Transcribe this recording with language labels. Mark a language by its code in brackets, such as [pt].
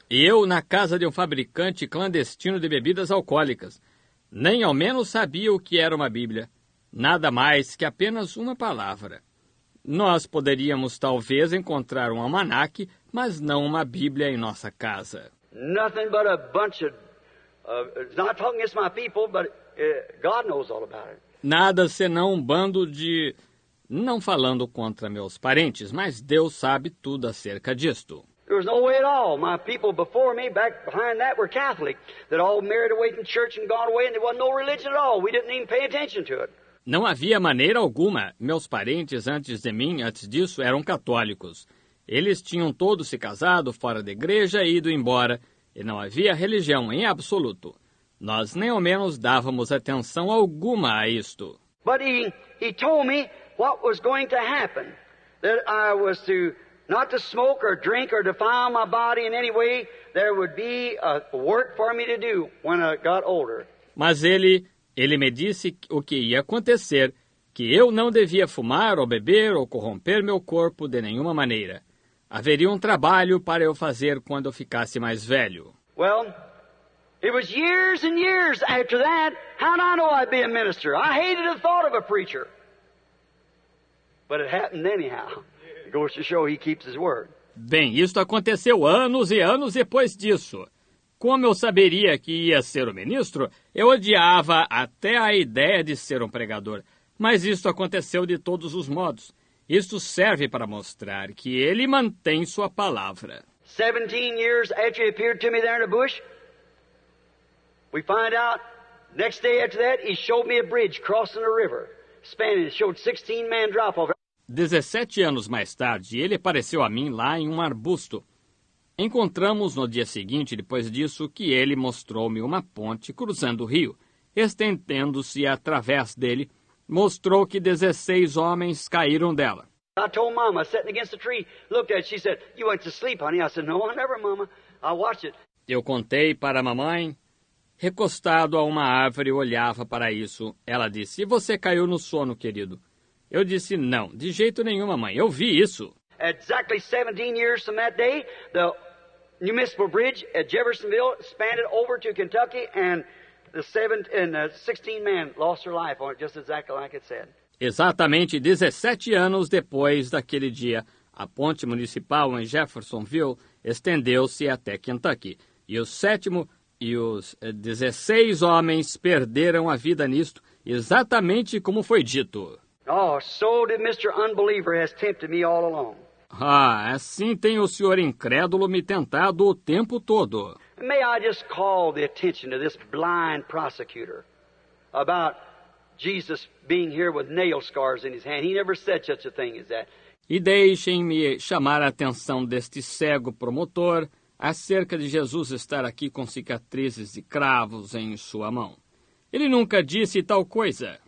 [pt] E eu na casa de fabricante clandestino de bebidas alcoólicas. Nem ao menos sabia o que era uma Bíblia. Nada mais que apenas uma palavra. Nós poderíamos talvez encontrar um almanaque, mas não uma Bíblia em nossa casa. [en] Nothing but a bunch of, not talking against my people, but God knows all about it. [pt] Nada senão um bando de... Não falando contra meus parentes, mas Deus sabe tudo acerca disto. [en] There was no way at all. My people before me, back behind that, were Catholic. That all married away from church and gone away, and there wasn't no religion at all. We didn't even pay attention to it. [pt] Não havia maneira alguma. Meus parentes antes de mim, antes disso, eram católicos. Eles tinham todos se casado, fora da igreja e ido embora. E não havia religião em absoluto. Nós nem ao menos dávamos atenção alguma a isto. [en] But he told me what was going to happen. That I was to not to smoke or drink or defile my body in any way. There would be a work for me to do when I got older. [pt] Mas ele me disse o que ia acontecer, que eu não devia fumar ou beber ou corromper meu corpo de nenhuma maneira. Haveria um trabalho para eu fazer quando eu ficasse mais velho. [en] Well, it was years and years after that. How did I know I'd be a minister? I hated the thought of a preacher. But it happened anyhow. It goes to show he keeps his word. [pt] Bem, isto aconteceu anos e anos depois disso. Como eu saberia que ia ser o ministro, eu odiava até a ideia de ser um pregador. Mas isto aconteceu de todos os modos. Isto serve para mostrar que ele mantém sua palavra. [en] 17 years after he appeared to me there in the bush, we find out, next day after that, he showed me a bridge crossing a river. Spanish, showed 16 men drop over. [pt] 17 anos mais tarde, ele apareceu a mim lá em um arbusto. Encontramos no dia seguinte, depois disso, que ele mostrou-me uma ponte cruzando o rio, estendendo-se através dele. Mostrou que 16 homens caíram dela. [en] I told Mama, sitting against the tree, looked at it, she said, you went to sleep, honey. I said, no, I never, Mama. I watched it. [pt] Eu contei para a mamãe, recostado a uma árvore, olhava para isso. Ela disse, e você caiu no sono, querido? Eu disse, não, de jeito nenhum, mamãe, eu vi isso. [en] Exactly 17 years from that day, the New Municipal Bridge at Jeffersonville spanned over to Kentucky and the 16 men lost their life on it, just exactly like it said. [pt] Exatamente 17 anos depois daquele dia, a ponte municipal em Jeffersonville estendeu-se até Kentucky. E o 7º e os 16 homens perderam a vida nisto, exatamente como foi dito. [en] Oh, so did Mr. Unbeliever has tempted me all along. [pt] Ah, assim tem o senhor incrédulo me tentado o tempo todo. [en] May I just call the attention to this blind prosecutor about Jesus being here with nail scars in his hand? He never said such a thing as that. [pt] E deixem-me chamar a atenção deste cego promotor acerca de Jesus estar aqui com cicatrizes e cravos em sua mão. Ele nunca disse tal coisa.